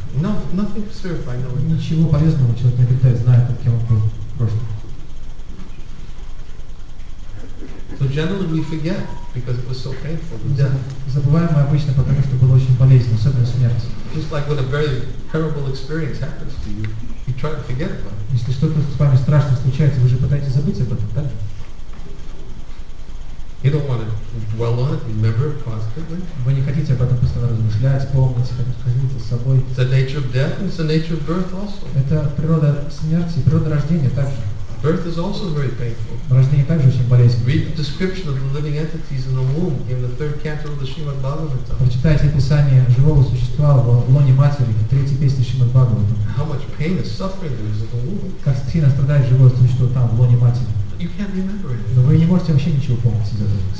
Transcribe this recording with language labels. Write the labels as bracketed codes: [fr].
[en] No, nothing is served by knowing. [ru] Ничего полезного человек не обретает, зная, как кем он был в прошлом. [en] So generally we forget because it was so painful. [ru] Забываем мы обычно, потому что было очень болезненно, особенно смерть. [en] Just like when a very terrible experience happens to you, you try to forget about it. [ru] Если что-то с вами страшное случается, вы же пытаетесь забыть об этом, да? [en] You don't want to dwell on it, remember it constantly. [ru] Вы не хотите об этом постоянно размышлять, помнить, ходить с собой. [en] It's the nature of death, it's the nature of birth also. [ru] Это природа смерти, природа рождения также. [en] Birth is also very painful. [ru] Рождение также очень болезненно. [en] Read the description of the living entities in the womb in the third canto of the Shrimad Bhagavatam. [ru] Прочитайте описание живого существа в лоне матери в третьей песне Шримад Бхагаватам. [en] How much pain and suffering there is in the womb. [ru] Как сильно страдает живое существо там в лоне матери. [en] You can't remember it. [ru] Но вы не можете вообще ничего помнить из этого.